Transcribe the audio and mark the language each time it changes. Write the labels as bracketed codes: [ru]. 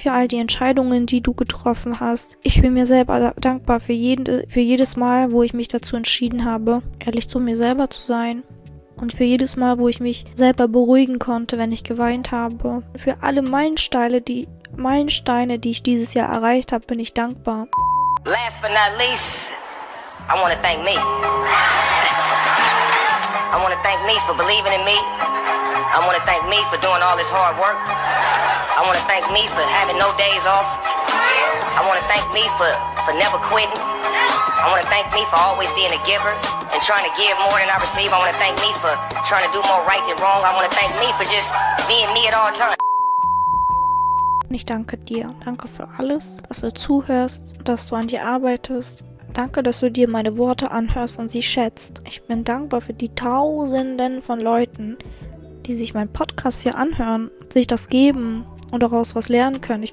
[de] Für all die Entscheidungen, die du getroffen hast. Ich bin mir selber dankbar für jedes Mal, wo ich mich dazu entschieden habe, ehrlich zu mir selber zu sein. Und für jedes Mal, wo ich mich selber beruhigen konnte, wenn ich geweint habe. Für alle Meilensteine, die ich dieses Jahr erreicht habe, bin ich dankbar. [en] Last but not least, I want to thank me. I want to thank me for believing in me. I want to thank me for doing all this hard work. I want to thank me for having no days off. I want to thank me for never quitting. I want to thank me for always being a giver and trying to give more than I receive. I want to thank me for trying to do more right than wrong. I want to thank me for just being me at all times. [de] Und ich danke dir. Danke für alles, dass du zuhörst, dass du an dir arbeitest. Danke, dass du dir meine Worte anhörst und sie schätzt. Ich bin dankbar für die Tausenden von Leuten, die sich meinen Podcast hier anhören, sich das geben und daraus was lernen können.